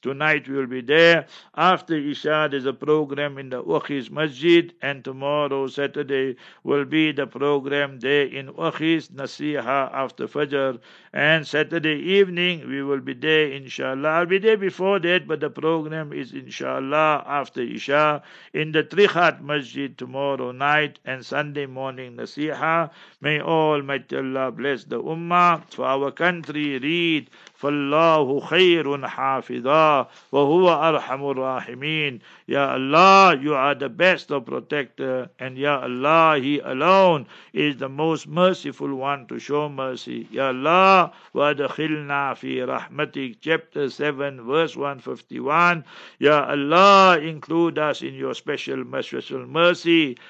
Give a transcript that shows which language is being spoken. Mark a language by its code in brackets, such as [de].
[en] Tonight we will be there. After Isha, there's a program in the Ukhis Masjid, and tomorrow, Saturday, will be the program there in Ukhis, Nasiha after Fajr. And Saturday evening, we will be there, inshallah. I'll be there before that, but the program is, inshallah, after Isha, in the Trichat Masjid tomorrow night, and Sunday morning, Nasiha. May Almighty Allah bless the Ummah. For our country, read, [ar] فَاللَّهُ خَيْرٌ حَافِظًا وَهُوَ أَرْحَمُ الرَّاحِمِينَ. [en] Ya Allah, you are the best of protector, and Ya Allah, He alone is the most merciful one to show mercy. Ya Allah, [ar] وَأَدْخِلْنَا فِي رَحْمَتِكَ, [en] chapter 7, verse 151. Ya Allah, include us in your special, merciful mercy.